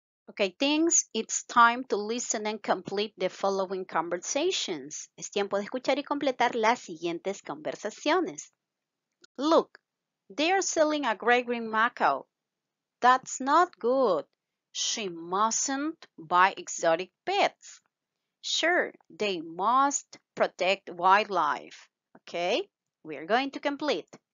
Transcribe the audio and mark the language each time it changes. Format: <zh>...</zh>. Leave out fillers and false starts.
<en>Okay, things, it's time to listen and complete the following conversations.</en> <es>Es tiempo de escuchar y completar las siguientes conversaciones.</es> <en>Look, they are selling a gray green macaw. That's not good. She mustn't buy exotic pets. Sure, they must protect wildlife. Okay, we are going to complete.</en>